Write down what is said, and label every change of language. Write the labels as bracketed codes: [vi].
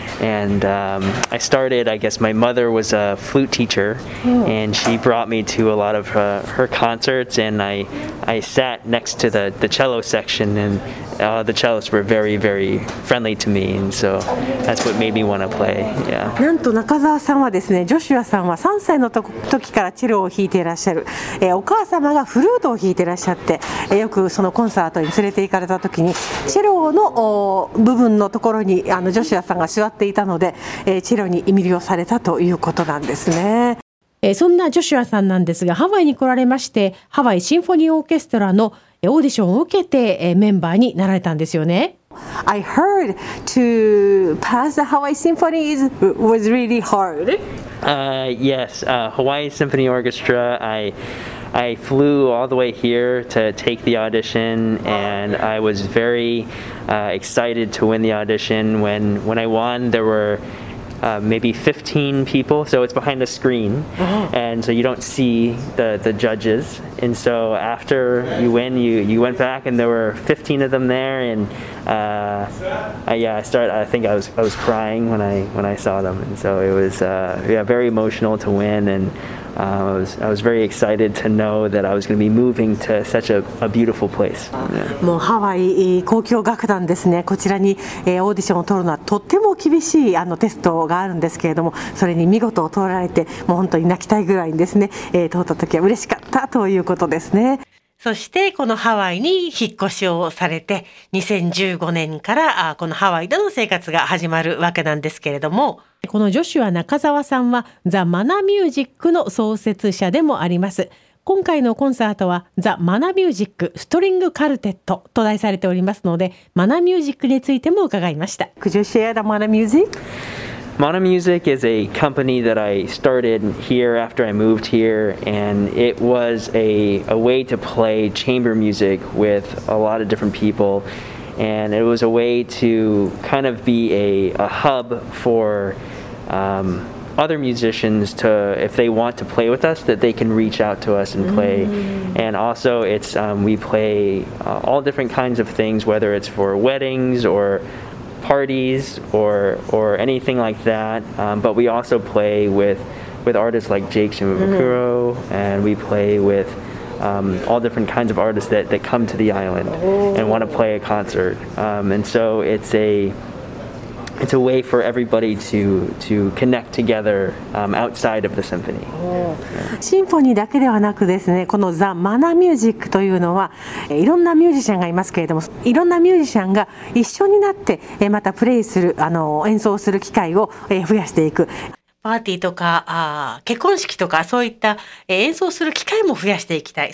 [en] And I started, I guess my mother was a flute teacher, and she brought me to a lot of her concerts, and I sat next to the cello section, and the cellists were very, very friendly to me, and so that's what made me want to play. Yeah. [ja] なんと中澤さんはですね、ジョシュアさんは3歳の時からチェロを弾いていらっしゃる、お母様がフルートを弾いていらっしゃって、よくそのコンサートに連れて行かれた時にチェロの部分のところにジョシュアさんが座っていたので、チェロに魅了されたということなんですね。そんなジョシュアさんなんですが、ハワイに来られまして、ハワイシンフォニーオーケストラのオーディションを受けてメンバーになられたんですよね。 [en] I heard to pass the Hawaii Symphony was really hard. Yes, Hawaii Symphony Orchestra. I flew all the way here to take the audition, and I was very excited to win the audition. When I won, there were maybe 15 people, so it's behind the screen, and so you don't see the judges. And so after you win, you went back, and there were 15 of them there, and I think I was crying when I saw them, and so it was very emotional to win, and I was very excited to know that I was going to be moving to such a beautiful place. [ja] もうハワイ交響楽団ですね、こちらにオーディションを取るのはとっても厳しいテストがあるんですけれども、それに見事通られて、もう本当に泣きたいぐらいにですね、通った時は嬉しかったということですね。そしてこのハワイに引っ越しをされて、2015年からこのハワイでの生活が始まるわけなんですけれども、このジョシュア中澤さんはザ・マナミュージックの創設者でもあります。今回のコンサートはザ・マナミュージックストリングカルテットと題されておりますので、マナミュージックについても伺いました。 [en] Could you share the Mana Music? Mana Music is a company that I started here after I moved here, and it was a way to play chamber music with a lot of different people, and it was a way to kind of be a hub for other musicians to, if they want to play with us, that they can reach out to us and play. And also it's we play all different kinds of things, whether it's for weddings or parties or anything like that, but we also play with artists like Jake Shimabukuro, and we play with all different kinds of artists that come to the island and want to play a concert. And so it's a way for everybody to connect together outside of the symphony. [ja] シンフォニーだけではなくですね、このザ・マナミュージックというのはいろんなミュージシャンがいますけれども、いろんなミュージシャンが一緒になってまたプレイする、演奏する機会を増やしていく。パーティーとか結婚式とかそういった演奏する機会も増やしていきたい。